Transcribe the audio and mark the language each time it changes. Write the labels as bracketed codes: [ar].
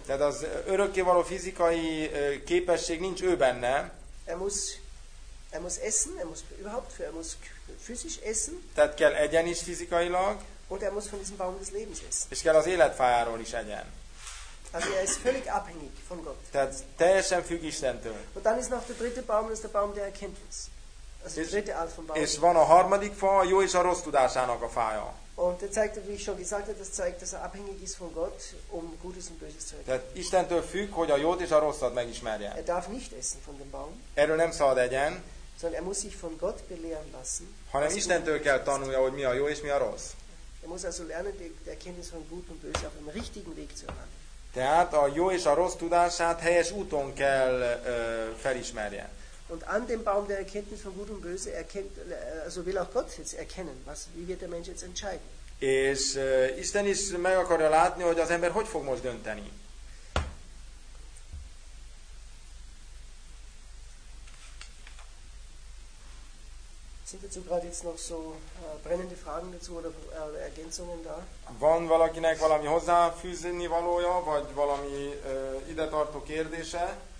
[hu] Tehát az örökkévaló fizikai képesség nincs ő benne. [de] Er muss essen, er muss physisch essen. [hu] Tehát kell egyen is fizikailag. [de] Und er muss von diesem Baum des Lebens essen. [hu] És kell az életfájáról is egyen. [de] Also er ist völlig abhängig von Gott. [hu] Tehát teljesen függ Istentől. [de] Und dann ist noch der dritte Baum, das ist der Baum der Erkenntnis. Also der dritte Art von Baum. [hu] És van a harmadik fa, a jó és a rossz tudásának a fája. [de] Und er zeigt, wie ich schon gesagt habe, das zeigt, dass er abhängig ist von Gott, um Gutes und Böses zu erkennen. [hu] Tehát Istentől függ, hogy a jót és a rosszat megismerje. [de] Er darf nicht essen von dem Baum. [hu] Erről nem szabad egyen. [de] Sondern er muss sich von Gott belehren lassen. [hu] Hanem Istentől kell tanulja, hogy mi a jó és mi a rossz. [de] Er muss also lernen, die Erkenntnis von Gut und Böse auf dem richtigen Weg zu erlangen. [hu] Tehát a jó és a rossz tudását helyes úton kell felismerje. [de] Und an dem Baum der Erkenntnis von Gut und Böse erkennt, also will auch Gott jetzt erkennen, was, wie wird der Mensch jetzt entscheiden? [hu] És Isten is meg akarja látni, hogy az ember hogy fog most dönteni. [de] Sind dazu gerade jetzt noch so brennende Fragen dazu oder Ergänzungen da? [hu] Van valakinek valami hozzáfűzni valója, vagy valami ide tartó kérdése?